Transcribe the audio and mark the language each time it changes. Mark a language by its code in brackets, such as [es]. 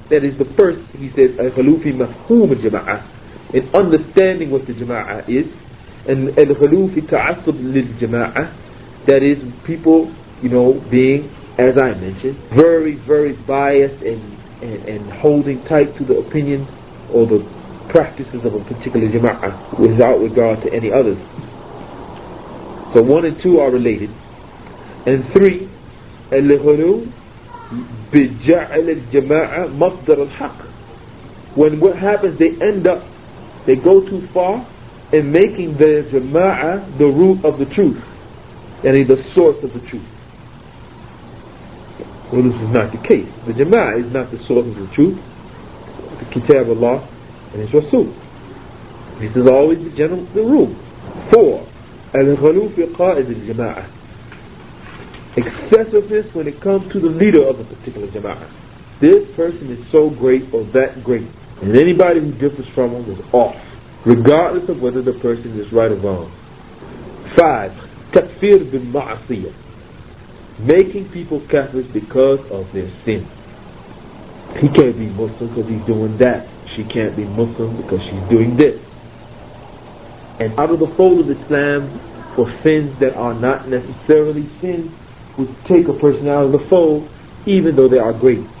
[en] That is the first, he says, [ar] الغلو في مفهوم الجماعة, [en] in understanding what the جماعة is, and [ar] الغلو في تعصب للجماعة, [en] that is people, you know, being, as I mentioned, very, very biased and holding tight to the opinion or the practices of a particular jama'ah without regard to any others. So one and two are related. [ar] And three, الغلو بجعل الجماعة مصدر الحق. [en] When what happens, they end up, they go too far in making the jama'ah the root of the truth, that is the source of the truth. Well, this is not the case. The jama'ah is not the source of the truth. The Kitab Allah and it's Rasul. This is always the general the rule. [ar] Four, الغلو في قائد الجماعة. [en] Excessiveness when it comes to the leader of a particular jama'ah. This person is so great or that great, and anybody who differs from him is off, regardless of whether the person is right or wrong. [ar] Five, تكفير بالمعصية. [en] Making people kafirs because of their sin. He can't be Muslim because he's doing that. She can't be Muslim because she's doing this. And out of the fold of Islam, for sins that are not necessarily sins, would take a person out of the fold, even though they are great.